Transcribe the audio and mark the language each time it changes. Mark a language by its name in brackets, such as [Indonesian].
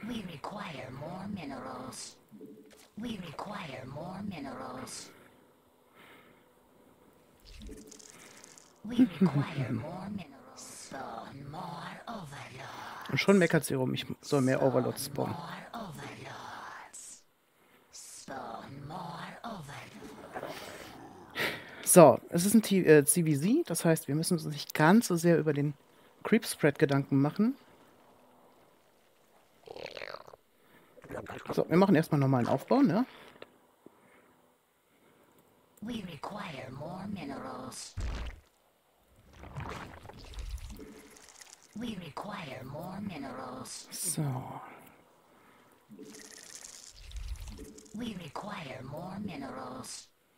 [English] We require more minerals. We require more minerals. We require more minerals. Spawn more overlords. [German] Und schon meckert sie rum, ich soll mehr Overlords spawnen. [English] More overlords. Spawn more overlords. [German] So, es ist ein CVZ, das heißt, wir müssen uns nicht ganz so sehr über den Creep Spread Gedanken machen. So, wir machen erstmal nochmal einen Aufbau, ne? [English] We require more minerals. We require more minerals. So. We require more minerals.